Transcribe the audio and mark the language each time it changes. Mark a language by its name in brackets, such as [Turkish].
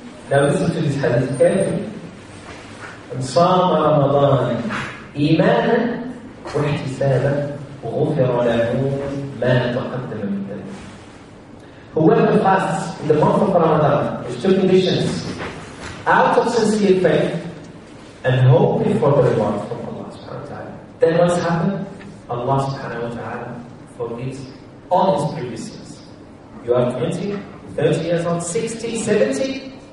[English] Now listen to this hadith carefully. [Arabic] صام رمضان إيمانا واحتسابا وغفر له ما تقدم من ذنبه. [English] Whoever fasts in the month of Ramadan, there's two conditions: out of sincere faith and hoping for the reward from Allah subhanahu wa ta'ala. Then what's happened? Allah subhanahu wa ta'ala forgives all his previous sins. You are 20, 30 years old, 60, 70.